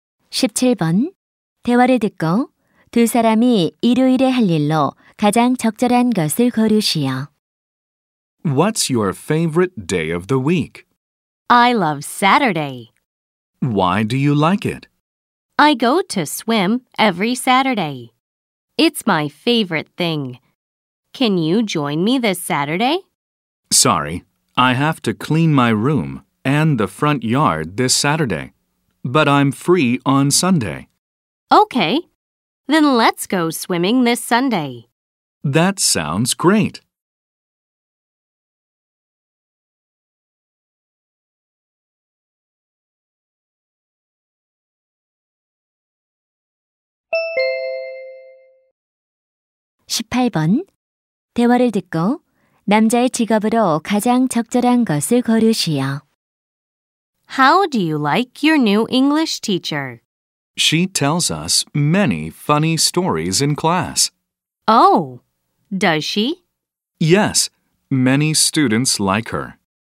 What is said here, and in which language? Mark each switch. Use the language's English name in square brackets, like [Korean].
[Korean] 17번 대화를 듣고 두 사람이 일요일에 할 일로 가장 적절한 것을 고르시오. [English] What's your favorite day of the week? I love Saturday. Why do you like it? I go to swim every Saturday. It's my favorite thing. Can you join me this Saturday? Sorry, I have to clean my room and the front yard this Saturday. But I'm free on Sunday. Okay, then let's go swimming this Sunday. That sounds great. 18번 대화를 듣고 남자의 직업으로 가장 적절한 것을 고르시오. How do you like your new English teacher? She tells us many funny stories in class. Oh, does she? Yes, many students like her.